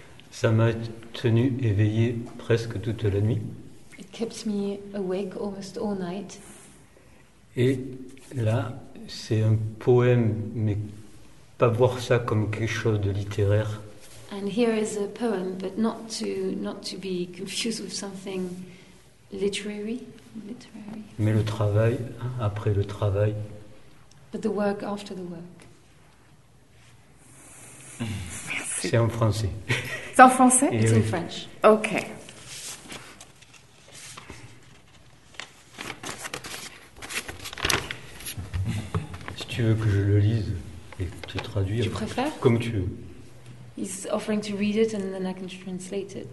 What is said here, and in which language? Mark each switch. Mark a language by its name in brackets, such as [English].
[French] Ça m'a tenu éveillé presque toute la nuit. [English] It kept me awake almost all night. [French] Et là, c'est un poème, mais pas voir ça comme quelque chose de littéraire. [English] And here is a poem, but not to be confused with something literary. [French] Mais le travail après le travail. [English] But the work after the work. [French] Merci. C'est en français. C'est en français? [English] It's in French. Okay. [French] Si tu veux que je le lise et que tu traduis, tu préfères? Comme tu veux. [English] He's offering to read it and then I can translate it.